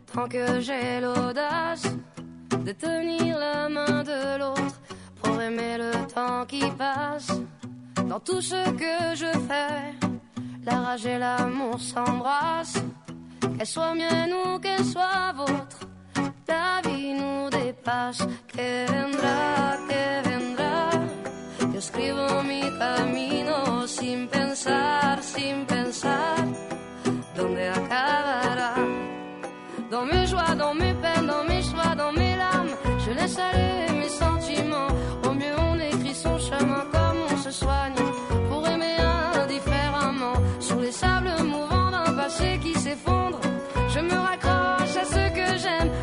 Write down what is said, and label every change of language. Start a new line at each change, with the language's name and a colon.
French: Que j'ai l'audace de tenir la main de l'autre pour aimer le temps qui passe. Dans tout ce que je fais, la rage et l'amour s'embrassent. Qu'elles soient miennes ou qu'elles soient vôtres, la vie nous dépasse.
Spanish: Que vendra, que vendra. Yo escribo mi camino sin pensar, sin pensar. Donde acabará.
French: Dans mes joies, dans mes peines, dans mes choix, dans mes larmes, je laisse aller mes sentiments. Au mieux on écrit son chemin comme on se soigne, pour aimer indifféremment. Sous les sables mouvants d'un passé qui s'effondre, je me raccroche à ce que j'aime.